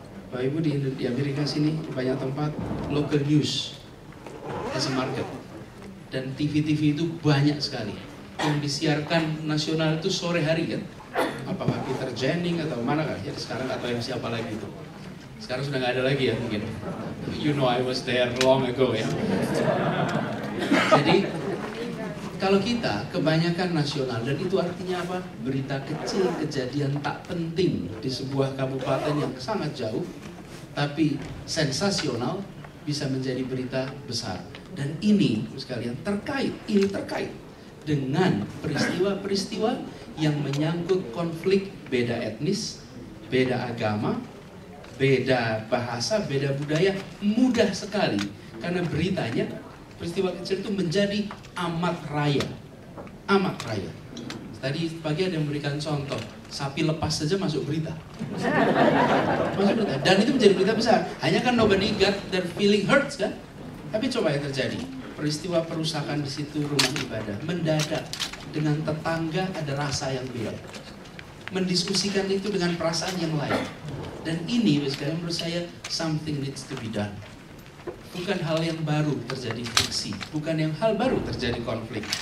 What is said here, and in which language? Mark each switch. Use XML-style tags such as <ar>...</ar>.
<id>Bapak-Ibu di Amerika sini, banyak tempat,</id> <en>local news as a market.</en> <id>Dan TV-TV itu banyak sekali. Yang disiarkan nasional itu sore hari kan. Apakah Peter Jennings atau mana kan ya, sekarang atau yang siapa lagi itu. Sekarang sudah gak ada lagi ya mungkin.</id> <en>You know I was there long ago ya.</en> <id>Jadi kalau kita kebanyakan nasional, dan itu artinya apa? Berita kecil, kejadian tak penting di sebuah kabupaten yang sangat jauh, tapi sensasional, bisa menjadi berita besar. Dan ini sekalian terkait, ini terkait dengan peristiwa-peristiwa yang menyangkut konflik beda etnis, beda agama, beda bahasa, beda budaya, mudah sekali karena beritanya peristiwa kecil itu menjadi amat raya. Amat raya. Tadi pagi ada yang memberikan contoh, sapi lepas saja masuk berita. Masuk berita. Dan itu menjadi berita besar. Hanya kan</id> <en>nobody got their feeling hurt</en> <id>kan? Tapi coba yang terjadi, peristiwa perusakan di situ rumah ibadah, mendadak dengan tetangga ada rasa yang beda. Mendiskusikan itu dengan perasaan yang lain. Dan ini sekarang menurut saya</id> <en>something needs to be done.</en> <id>Bukan hal yang baru terjadi friksi, bukan yang hal baru terjadi konflik.</id>